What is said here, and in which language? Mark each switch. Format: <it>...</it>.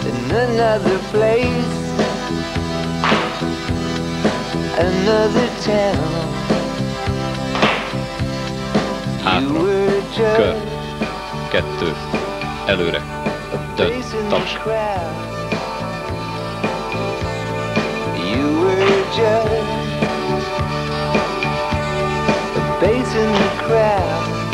<en>Another place, another town.</en> <hu>Hátra, kör, kettő, előre, több, taps.</hu> <en>You were just a bass in the crowd.</en>